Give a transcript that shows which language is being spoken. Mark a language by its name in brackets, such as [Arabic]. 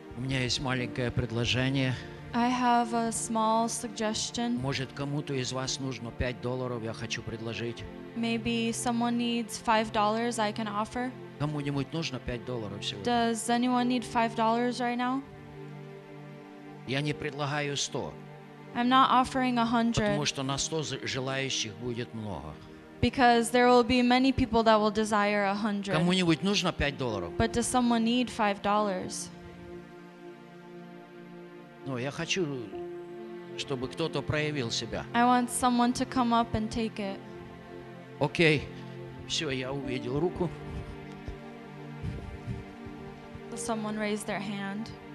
[Russian] меня есть маленькое предложение. [English] I have a small suggestion. [Russian] Может, кому-то из вас нужно $5, я хочу предложить. [English] Maybe someone needs $5, I can offer. [Russian] Кому-нибудь нужно $5 сегодня? [English] Does anyone need $5 right now? [Russian] Я не предлагаю 100. [English] I'm not offering 100. [Russian] Потому что на 100 желающих будет много. [English] Because there will be many people that will desire 100. [Russian] Кому-нибудь нужно $5? [English] But does someone need $5? [Russian] Ну, я хочу, чтобы кто-то проявил себя. [English] I want someone to come up and take it. [Russian] Окей. Все, я увидел руку. [English] Someone raised their hand.